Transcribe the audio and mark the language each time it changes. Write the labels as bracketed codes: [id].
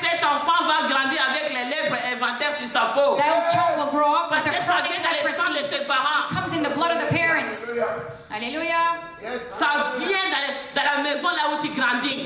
[fr] Cet enfant va grandir avec les lèpres éventaires sur sa peau. [en] That child will grow up [fr] parce [en] with a chronic leprosy. It comes in the blood of the parents. Alléluia. Yes. [fr] Ça vient dans la maison là où tu grandis.